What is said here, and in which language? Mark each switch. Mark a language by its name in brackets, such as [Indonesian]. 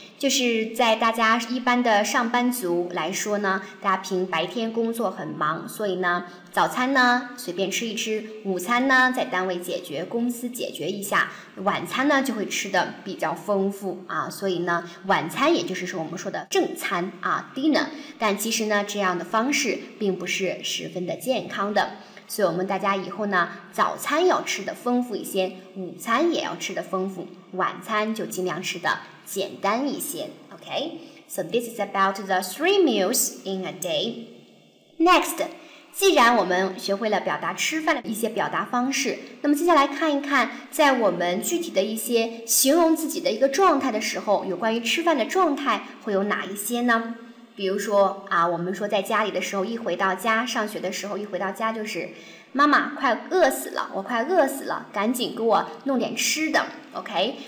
[Chinese] 就是在大家一般的上班族来说呢，大家平白天工作很忙，所以呢早餐呢随便吃一吃，午餐呢在单位解决，公司解决一下，晚餐呢就会吃的比较丰富啊，所以呢晚餐也就是说我们说的正餐啊 dinner, 但其实呢这样的方式并不是十分的健康的，所以我们大家以后呢早餐要吃的丰富一些，午餐也要吃的丰富，晚餐就尽量吃的简单一些。 [English] OK, so this is about the three meals in a day. [Chinese] Next, 既然我们学会了表达吃饭的一些表达方式，那么接下来看一看在我们具体的一些形容自己的一个状态的时候，有关于吃饭的状态会有哪一些呢？比如说啊，我们说在家里的时候，一回到家，上学的时候，一回到家就是妈妈快饿死了，我快饿死了，赶紧给我弄点吃的， OK。